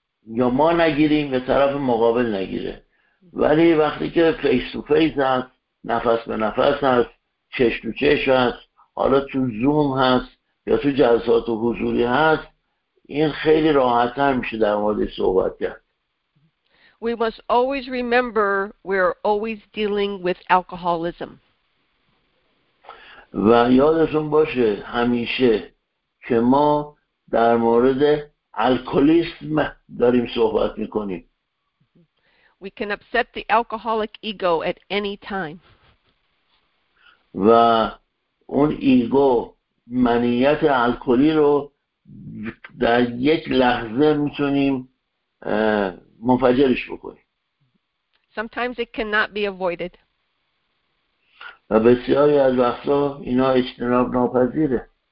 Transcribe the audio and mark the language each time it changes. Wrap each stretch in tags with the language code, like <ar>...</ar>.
<fa>یا ما نگیریم یا طرف مقابل نگیره، ولی وقتی که فیس تو فیس هست، نفس به نفس هست، چش تو چش هست، حالا تو زوم هست یا تو جلسات و حضوری هست، این خیلی راحت‌تر میشه در مورد صحبت کرد.</fa> <en>We must always remember we're always dealing with alcoholism.</en> <fa>و یادتون باشه همیشه که ما در مورد الکلیسم داریم صحبت میکنیم.</fa> <en>We can upset the alcoholic ego at any time.</en> <fa>و اون ایگو منیت الکلی رو در یک لحظه میتونیم منفجرش بکنیم.</fa> <en>Sometimes it cannot be avoided.</en> <fa>و بسیاری از وقتا اینا اجتناب ناپذیره.</fa>